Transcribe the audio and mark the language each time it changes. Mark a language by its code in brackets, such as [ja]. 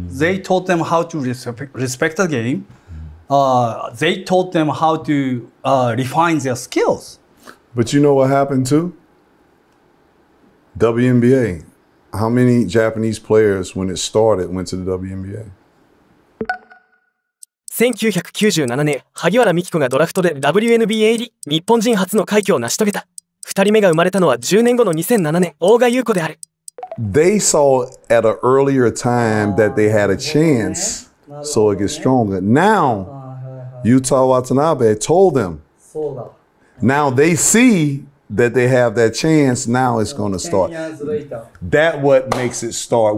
[en] They taught them how to respect the game. They taught them how to refine their skills. But you know what happened too? WNBA. How many Japanese players, when it started, went to the WNBA? [ja] 1997年、萩原美希子がドラフトで WNBA 入り、日本人初の快挙を成し遂げた。 2人目が生まれたのは10年後の2007年、大賀優子である。 [en] They saw at an earlier time that they had a chance, so it gets stronger. Now, Yuta Watanabe told them. Now they see... That they have that chance, now it's going to start. 10 years later. That what makes it start.